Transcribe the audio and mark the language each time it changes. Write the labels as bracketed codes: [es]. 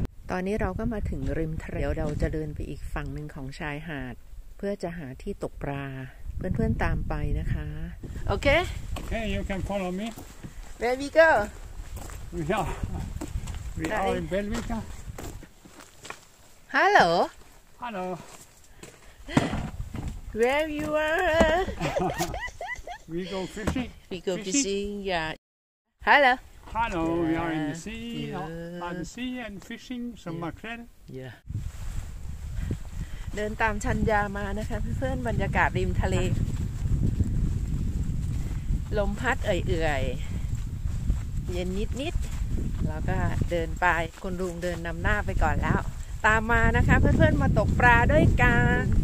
[th] ตอนนี้เราก็มาถึงริมทะเลเดี๋ยวเราจะเดินไปอีกฝั่งหนึ่งของชายหาดเพื่อจะหาที่ตกปลาเพื่อนๆตามไปนะคะ [en] โอเค โอเค you can follow me where we go we are in Belvica hello hello where you are we go fishing we go fishing yeah hello hello we are in the sea by the sea and fishing some mackerel [th] yeah เดินตามชัญญามานะคะเพื่อนๆบรรยากาศริมทะเลลมพัดเอื่อยๆเย็นนิดๆแล้วก็เดินไปคุณลุงเดินนำหน้าไปก่อนแล้วตามมานะคะเพื่อนๆมาตกปลาด้วยกัน